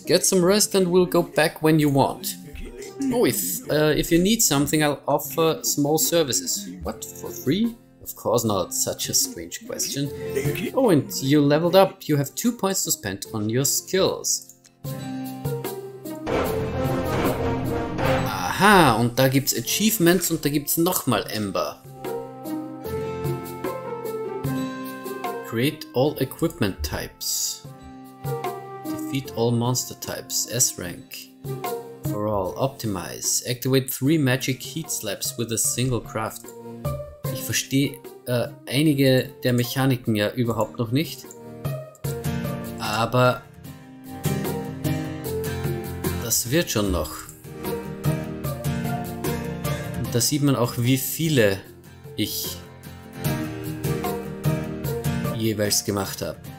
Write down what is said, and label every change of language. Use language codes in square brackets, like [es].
[en] Get some rest and we'll go back when you want. Oh, if you need something, I'll offer small services. What, for free? Of course not, such a strange question. Oh, and you leveled up. You have 2 points to spend on your skills. [de] Aha, und da gibt's Achievements und da gibt's nochmal Ember. [en] Create all equipment types. Defeat all monster types. S rank. For all. Optimize. Activate 3 magic heat slabs with a single craft. [de] Ich verstehe einige der Mechaniken ja überhaupt noch nicht. Aber das wird schon noch. Und da sieht man auch, wie viele ich jeweils gemacht habe.